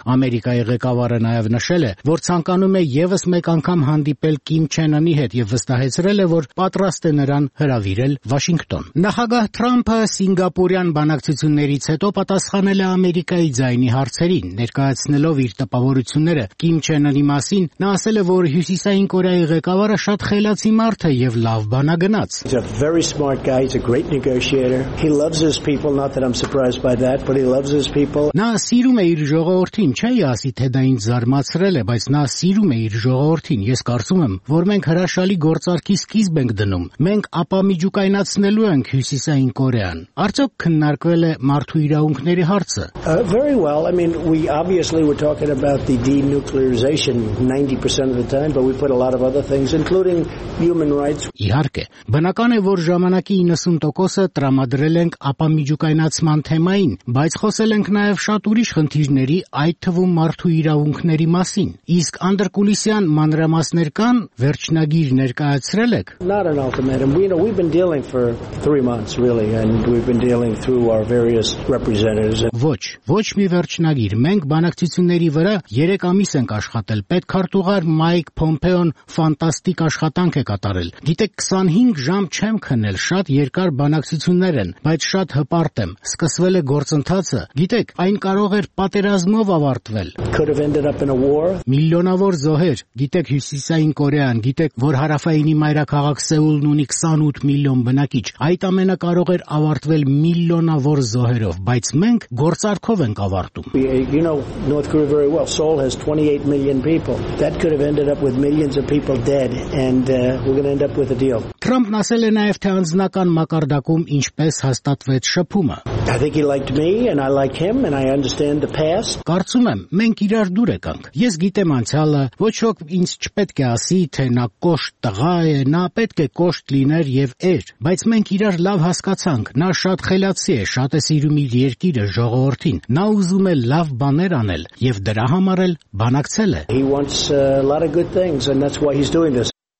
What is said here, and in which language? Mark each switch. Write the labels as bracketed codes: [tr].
[hy] Ամերիկայի ղեկավարը նաև նշել է, որ ցանկանում է ևս մեկ անգամ հանդիպել Կիմ Չեն Ունի հետ և վստահեցրել է, որ պատրաստ է նրան հրավիրել Վաշինգտոն։ Նախագահ Թրամփը Սինգապուրյան բանակցություններից հետո պատասխանել է Ամերիկայի ձայնի հարցերին, ներկայացնելով իր տպավորությունները Կիմ Չեն Ունի մասին, նա ասել է, որ Հյուսիսային Կորեայի ղեկավարը շատ խելացի մարդ է և լավ բանագնաց։ [en] He's a very smart guy, he's a great negotiator. He loves his people, not that I'm surprised by that, but he loves his people. [hy] Նա սիրում է իր ժողովրդին, չէի ասի, թե դա ինձ զարմացրել է, բայց նա սիրում է իր ժողովրդին, ես կարծում եմ, որ մենք հրաշալի գործարքի սկիզբ ենք դնում, մենք ապամիջուկայնացնելու ենք Հյուսիսային Կորեան։ Արդյոք քննարկվել է մարդու իրավունքների հարցը։ [en] Very well, I mean, we obviously were talking about the denuclearization 90% of the time, but we put a lot of other things, including human rights. [hy] Իհարկե, բնական է, որ ժամանակի 90%-ը տրամադրել ենք ապամիջուկայնացման թեմային, բայց խոսել ենք նաև շատ ուրիշ խնդիրների, այդ թվում մարդու իրավունքների մասին։ Իսկ անդրկուլիսյան մանրամասներ կան, վերջնագիր ներկայացրել եք։ [en] Not an ultimatum. We know we've been dealing for 3 months really, and we've been dealing through our various representatives. [hy] Ոչ, ոչ մի վերջնագիր, մենք բանակցությունների վրա 3 ամիս ենք աշխատել։ Պետքարտուղար Մայք Փոմպեոն ֆանտաստիկ աշխատանք է կատարել։ Գիտեք, 25 ժամ չեմ քնել, շատ երկար բանակցություններ են, բայց շատ հպարտ եմ, սկսվել է գործընթացը, գիտեք, այն կարող էր պատերազմով ավարտվել, միլիոնավոր զոհեր, գիտեք, Հյուսիսային Կորեան, գիտեք, որ հարավայինի մայրաքաղաք Սեուլն ունի 28 միլիոն բնակիչ, այդ ամենը կարող էր ավարտվել միլիոնավոր զոհերով, բայց մենք գործարքով ենք ավարտում։ [en] You know North Korea very well. Seoul has 28 million people. That could have ended up with millions of people dead, and we're going to end up with a deal. [hy] Թրամփն ասել է նաև, թե անձնական մակարդակում ինչպես հաստատվեց շփումը։ [en] I think he liked me and I like him and I understand the past. [hy] Կարծում եմ, մենք իրար դուր եկանք։ Ես գիտեմ անցյալը, ոչ ոք ինձ չպետք է ասի, թե նա կոշտ տղա է, նա պետք է կոշտ լիներ եւ էր, բայց մենք իրար լավ հասկացանք։ Նա շատ խելացի է, շատ է սիրում իր երկիրը, ժողովրդին։ Նա ուզում է լավ բաներ անել եւ դրա համար էլ բանակցել է։ [en] He wants a lot of good things and that's why he's doing this.